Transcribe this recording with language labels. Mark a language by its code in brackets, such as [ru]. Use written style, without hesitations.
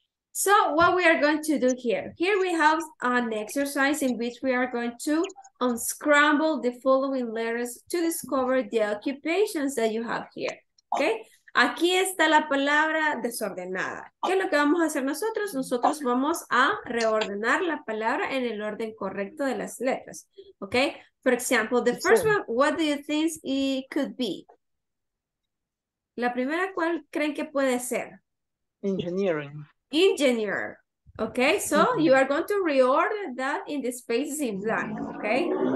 [en] So what we are going to do here? Here we have an exercise in which we are going to unscramble the following letters to discover the occupations that you have here. [es] Okay? Aquí está la palabra desordenada. ¿Qué es lo que vamos a hacer nosotros? Nosotros vamos a reordenar la palabra en el orden correcto de las letras. [en] Okay? For example, the first one, what do you think it could be? [es] La primera, ¿cuál creen que puede ser? [en] Engineer. Okay, so you are going to reorder that in the spaces in black, okay?